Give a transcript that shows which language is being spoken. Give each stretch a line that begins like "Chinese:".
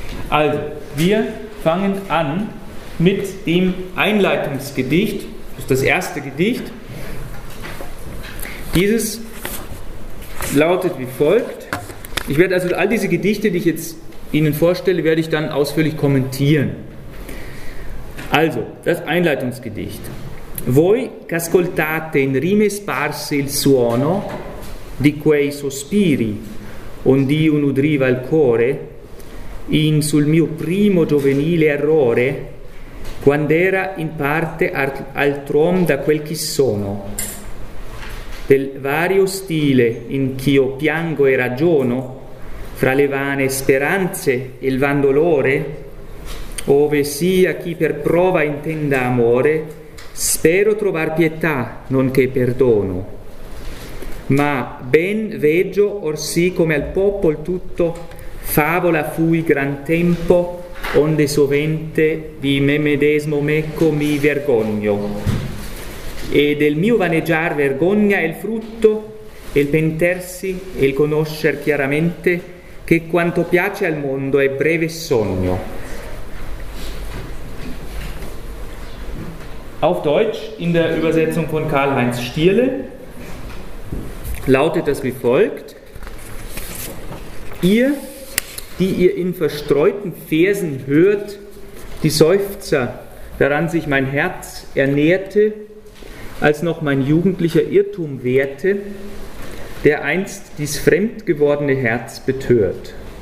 German: Also, wir fangen an mit dem Einleitungsgedicht, das ist das erste Gedicht. Dieses lautet wie folgt. Ich werde also all diese Gedichte, die ich jetzt Ihnen vorstelle, werde ich dann ausführlich kommentieren. Also, das Einleitungsgedicht.
Italian: Voi che ascoltate in rime sparse il suono di quei sospiri und io nudriva il cuore in sul mio primo giovenile errore quand'era in parte altrom da quel chi sono del vario stile in ch'io piango e ragiono fra le vane speranze e il van dolore ove sia chi per prova intenda amore spero trovar pietà nonché perdono ma ben veggio or sì come al popol tutto favola fui gran tempo onde sovente di me medesmo meco mi vergogno e del mio vaneggiar vergogna è il frutto e il pentersi e il conoscer chiaramente che quanto piace al mondo è breve sogno.
German: Auf Deutsch, in der Übersetzung von Karl-Heinz Stierle, lautet das wie folgt. Ihr, die ihr in verstreuten Versen hört, die Seufzer, daran sich mein Herz ernährte, als noch mein jugendlicher Irrtum währte, der einst dies fremd gewordene Herz betört.